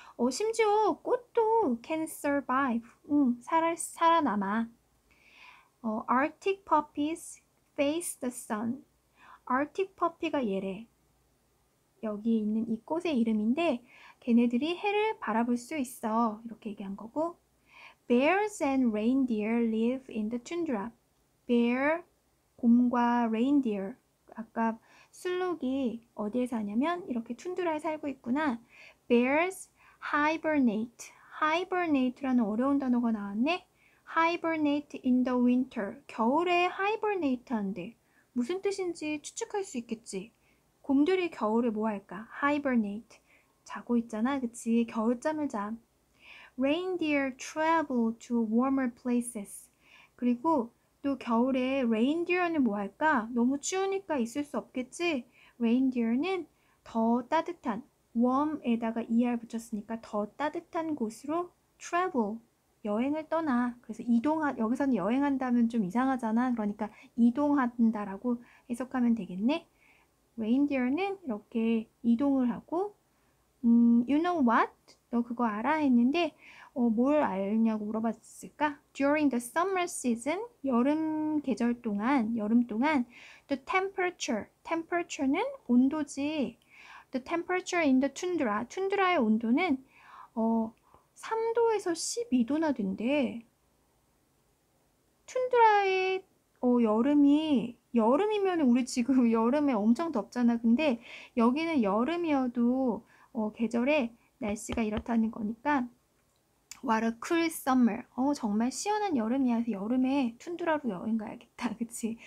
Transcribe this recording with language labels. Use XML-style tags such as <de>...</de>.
<ko>심지어 꽃도</ko> <en>can survive,</en> <ko>응, 살아남아.</ko> <en>Arctic puppies face the sun.</en> <ko>Arctic puppy가 얘래. 여기 있는 이 꽃의 이름인데 걔네들이 해를 바라볼 수 있어, 이렇게 얘기한 거고.</ko> <en>Bears and reindeer live in the tundra.</en> <ko>Bear, 곰과 reindeer. 아까 순록이 어디에 사냐면 이렇게 툰드라에 살고 있구나.</ko> <en>Bears hibernate.</en> <ko>Hibernate라는 어려운 단어가 나왔네.</ko> <en>Hibernate in the winter.</en> <ko>겨울에 hibernate 한대. 무슨 뜻인지 추측할 수 있겠지. 곰들이 겨울에 뭐 할까? Hibernate. 자고 있잖아, 그치? 겨울잠을 자.</ko> <en>Reindeer travel to warmer places.</en> <ko>그리고 또 겨울에 reindeer는 뭐 할까? 너무 추우니까 있을 수 없겠지? reindeer는 더 따뜻한, warm에다가 er 붙였으니까 더 따뜻한 곳으로 travel, 여행을 떠나. 그래서 여기서는 여행한다면 좀 이상하잖아. 그러니까 이동한다라고 해석하면 되겠네. reindeer는 이렇게 이동을 하고,</ko> <en>you know what?</en> <ko>너 그거 알아? 했는데, 뭘 알냐고 물어봤을까?</ko> <en>During the summer season,</en> <ko>여름 계절 동안, 여름 동안,</ko> <en>the temperature,</en> <ko>temperature는 온도지.</ko> <en>The temperature in the tundra,</en> <ko>tundra의 온도는 3도에서 12도나 된대. Tundra의 여름이, 여름이면 우리 지금 여름에 엄청 덥잖아. 근데 여기는 여름이어도 계절에 날씨가 이렇다는 거니까,</ko> <en>What a cool summer.</en> <ko>정말 시원한 여름이야. 여름에 툰드라로 여행 가야겠다. 그치?</ko>